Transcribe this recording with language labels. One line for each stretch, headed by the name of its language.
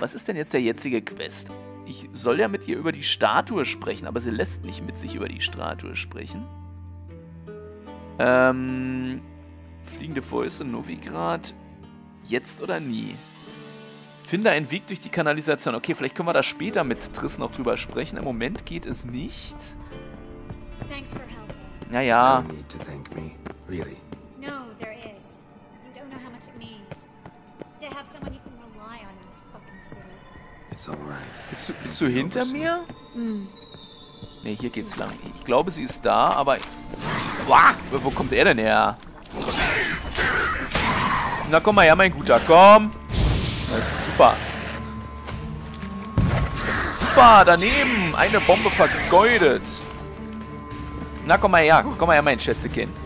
German: Was ist denn jetzt der jetzige Quest? Ich soll ja mit ihr über die Statue sprechen, aber sie lässt nicht mit sich über die Statue sprechen. Fliegende Fäuste, Novigrad. Jetzt oder nie? Finde einen Weg durch die Kanalisation. Okay, vielleicht können wir da später mit Triss noch drüber sprechen. Im Moment geht es nicht.
English: Thanks for helping. Naja. No need to thank me, really. No, there is. You don't know how much it means. To have someone you can rely on in this fucking city. It's alright.
German: Bist du hinter mir? Nee, hier geht's lang. Ich glaube, sie ist da, aber... Wo kommt er denn her? Na komm mal her, mein Guter, komm! Super, daneben! Eine Bombe vergeudet! Na komm mal her, mein Schätzekind.